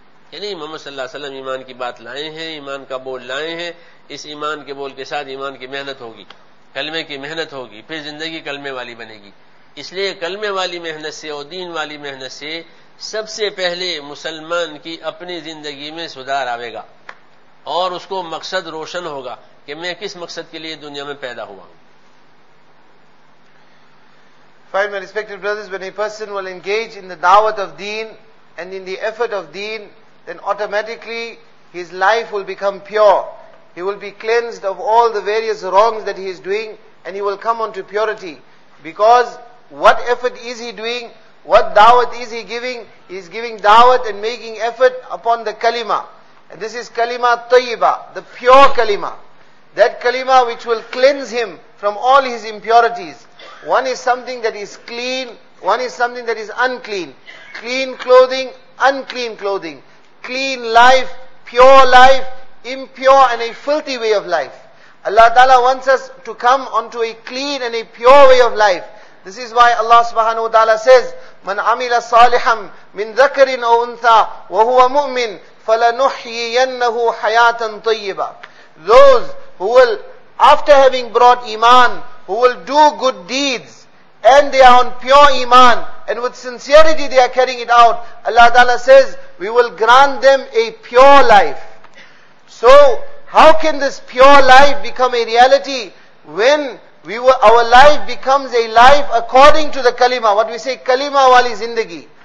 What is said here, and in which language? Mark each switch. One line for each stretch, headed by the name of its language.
Urdu: کہ نہیں, محمد صلی اللہ علیہ وسلم ایمان کی بات لائے ہیں, ایمان کا بول لائے ہیں, اس ایمان کے بول کے ساتھ ایمان کی محنت ہوگی, کلمے کی محنت ہوگی, پھر زندگی کلمے والی بنے گی. اس لیے کلمے والی محنت سے اور دین والی محنت سے سب سے پہلے مسلمان کی اپنی زندگی میں سدھار آئے گا اور اس کو مقصد روشن ہوگا کہ میں کس مقصد کے لیے دنیا میں پیدا ہوا ہوں.
English: Find my respected brothers, when a person will engage in the da'wat of deen and in the effort of deen, then automatically his life will become pure. He will be cleansed of all the various wrongs that he is doing and he will come onto purity. Because what effort is he doing? What da'wat is he giving? He is giving da'wat and making effort upon the kalima. And this is kalima tayyiba, the pure kalima. That kalima which will cleanse him from all his impurities. One is something that is clean, one is something that is unclean. Clean clothing, unclean clothing. Clean life, pure life, impure and a filthy way of life. Allah Ta'ala wants us to come onto a clean and a pure way of life. This is why Allah Subhanahu wa Ta'ala says,
Arabic: مَنْ عَمِلَ صَالِحًا مِنْ ذَكَرٍ أَوْ أُنْثَى وَهُوَ مُؤْمِنٍ فَلَنُحْيِيَنَّهُ حَيَاةً طَيِّبًا.
English: Those who will, after having brought iman, who will do good deeds, and they are on pure iman, and with sincerity they are carrying it out, Allah Ta'ala says, we will grant them a pure life. So, how can this pure life become a reality, when our life becomes a life according to the kalima, what we say,
Urdu: kalima wali zindagi.